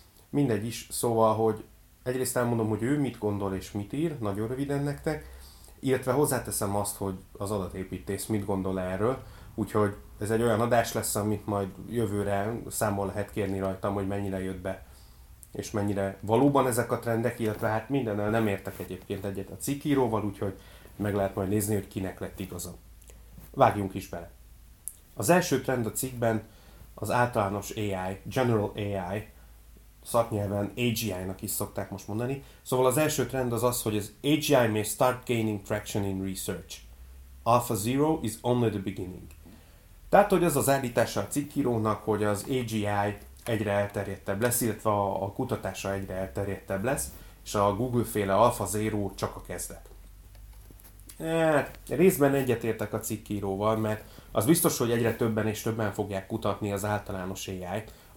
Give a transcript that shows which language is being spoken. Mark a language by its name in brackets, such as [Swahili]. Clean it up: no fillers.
[Hungarian] Mindegy is, szóval, hogy egyrészt elmondom, hogy ő mit gondol és mit ír, nagyon röviden nektek, illetve hozzáteszem azt, hogy az adatépítész mit gondol erről, úgyhogy ez egy olyan adás lesz, amit majd jövőre számon lehet kérni rajtam, hogy mennyire jött be, és mennyire valóban ezek a trendek, illetve hát mindennel nem értek egyébként egyet a cikkíróval, úgyhogy meg lehet majd nézni, hogy kinek lett igaza. Vágjunk is bele! Az első trend a cikkben az általános AI, General AI, szaknyelven AGI-nak is szokták most mondani. Szóval az első trend az az, hogy az AGI [English] may start gaining traction in research. Alpha Zero is only the beginning. [Hungarian] Tehát, hogy az az állítása a cikkírónak, hogy az AGI egyre elterjedtebb lesz, illetve a kutatása egyre elterjedtebb lesz, és a Google-féle Alpha Zero csak a kezdet. Részben egyetértek a cikkíróval, mert az biztos, hogy egyre többen és többen fogják kutatni az általános AI-t.